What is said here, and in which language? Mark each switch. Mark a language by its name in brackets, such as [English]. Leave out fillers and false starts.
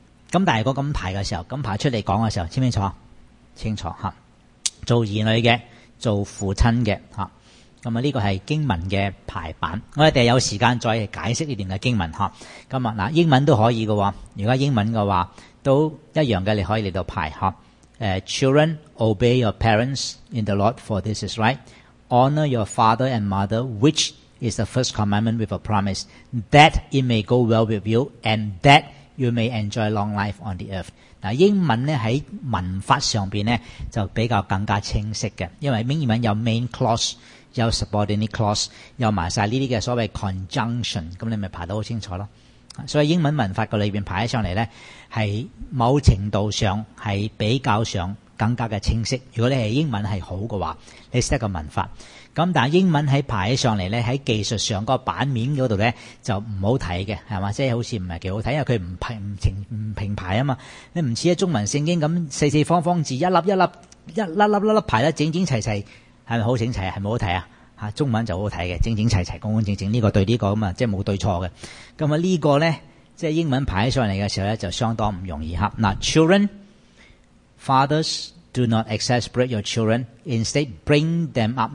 [Cantonese] 咁但系如果咁排嘅时候，咁排出嚟讲嘅时候，清唔清楚？清楚吓。做儿女嘅，做父亲嘅吓。咁呢个系经文嘅排版。我哋有时间再解释呢段嘅经文吓。咁啊，英文都可以嘅。如果英文嘅话，都一样嘅，你可以嚟到排吓。 [English] Children, obey your parents in the Lord, for this is right. Honor your father and mother, which is the first commandment with a promise, that it may go well with you, and that you may enjoy long life on the earth. [Cantonese] 英文呢喺文法上面呢就比较更加清晰嘅，因为英文有 main clause, 有 subordinate clause, 有埋晒呢啲嘅所谓 conjunction, 咁你咪排得好清楚囉。所以英文文法个里面排上嚟呢是某程度上是比较上更加的清晰。如果你是英文是好的话，你懂得个文法。咁但英文喺排上嚟呢，喺技术上个版面嗰度呢就唔好睇嘅，係咪即係好似唔係几好睇，因为佢唔平排㗎嘛。你唔似一中文圣经咁四四方方字，一粒排得整整齐齐，係咪好整齐，係咪好睇呀？中文就好睇嘅，整整齐齐，公公正正，呢、這个对呢、這个咁啊，即係冇对错嘅。咁呢个呢即係英文排上嚟嘅时候呢就相当唔容易。 [English] 嗱 ,children, fathers, do not exasperate your children, instead bring them up.